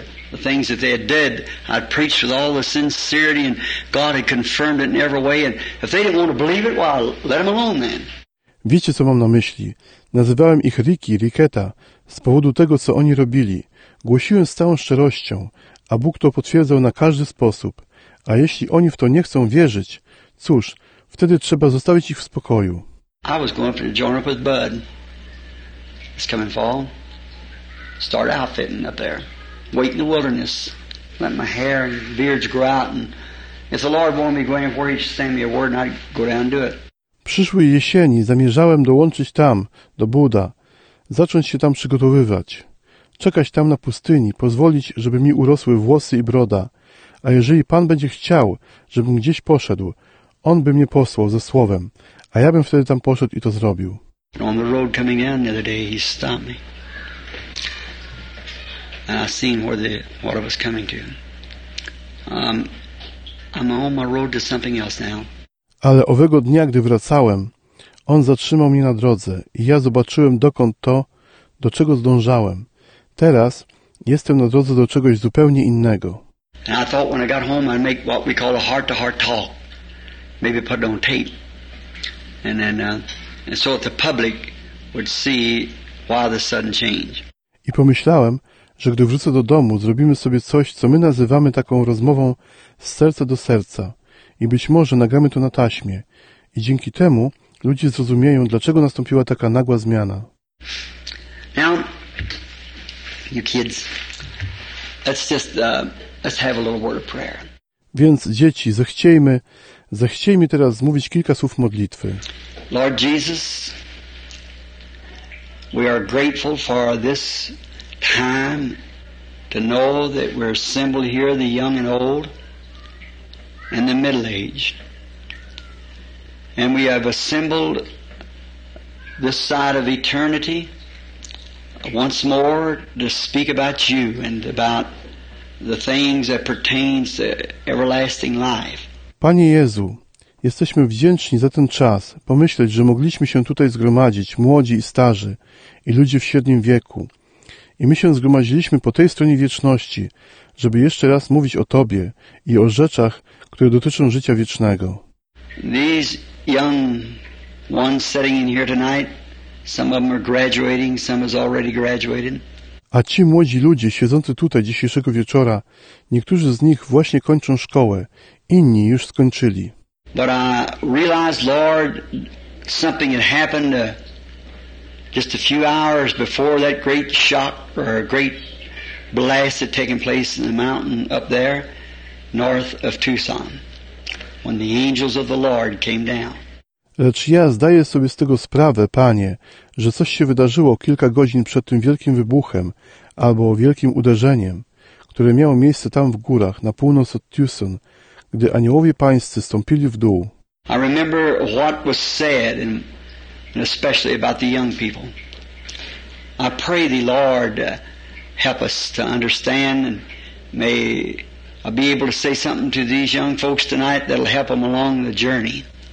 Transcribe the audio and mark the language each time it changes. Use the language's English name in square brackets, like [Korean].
[English] The things that they had did, I'd preached with all the sincerity and God had confirmed it in every way. And if they didn't want to believe it, well, let them alone then. [Polish] Wiecie, co mam na myśli? Nazywałem ich Ricky, Ricketta, z powodu tego, co oni robili. Głosiłem z całą szczerością, a Bóg to potwierdzał na każdy sposób. A jeśli oni w to nie chcą wierzyć, cóż, wtedy trzeba zostawić ich w spokoju. [English] I was going to join up with Bud. It's coming fall. Start outfitting up there. Wait in the wilderness. Let my hair and beards grow out. And if the Lord wanted me to go anywhere, he'd send me a word and I'd go down and do it. [Polish] Przyszłej jesieni zamierzałem dołączyć tam, do Buda, zacząć się tam przygotowywać. Czekać tam na pustyni, pozwolić, żeby mi urosły włosy i broda. A jeżeli Pan będzie chciał, żebym gdzieś poszedł, On by mnie posłał ze słowem, a ja bym wtedy tam poszedł i to zrobił. [English] On the road coming down the other day, he stopped me. And I seen what I was coming to. I'm on my road to something else now. [Polish] Ale owego dnia, gdy wracałem, on zatrzymał mnie na drodze i ja zobaczyłem, dokąd to, do czego zdążałem. Teraz jestem na drodze do czegoś zupełnie innego. [English] And I thought when I got home, I'd make what we call a heart-to-heart talk. Maybe put it on tape. And then, and so that the public would see why the sudden change. [Polish] I pomyślałem, że gdy wrócę do domu, zrobimy sobie coś, co my nazywamy taką rozmową z serca do serca. I być może nagramy to na taśmie. I dzięki temu ludzie zrozumieją, dlaczego nastąpiła taka nagła zmiana. [English] Now, you kids, let's have a little word of prayer. [Polish] Więc dzieci, zechciejmy teraz mówić kilka słów modlitwy. [English] Lord Jesus, we are grateful for this time to know that we're assembled here, the young and old, and the middle-aged. And we have assembled this side of eternity once more to speak about you and about the things that pertains to everlasting life. [Polish] Panie Jezu, jesteśmy wdzięczni za ten czas, pomyśleć, że mogliśmy się tutaj zgromadzić, młodzi i starzy, i ludzie w średnim wieku. I my się zgromadziliśmy po tej stronie wieczności, żeby jeszcze raz mówić o Tobie i o rzeczach, które dotyczą życia wiecznego. [English] These young ones sitting in here tonight, some of them are graduating, some has already graduated. [Polish] A ci młodzi ludzie siedzący tutaj dzisiejszego wieczora, niektórzy z nich właśnie kończą szkołę, inni już skończyli. [English] But I realized, Lord, something had happened just a few hours before that great shock or a great blast had taken place in the mountain up there north of Tucson. when the angels of the Lord came down. [Polish] Lecz ja zdaję sobie z tego sprawę, Panie, że coś się wydarzyło kilka godzin przed tym wielkim wybuchem albo wielkim uderzeniem, które miało miejsce tam w górach, na północ od Tucson, gdy aniołowie pańscy stąpili w dół. [English] I remember what was said, and especially about the young people. I pray thee, Lord, help us to understand, and may I be able to say something to these young folks tonight that'll help them along the journey.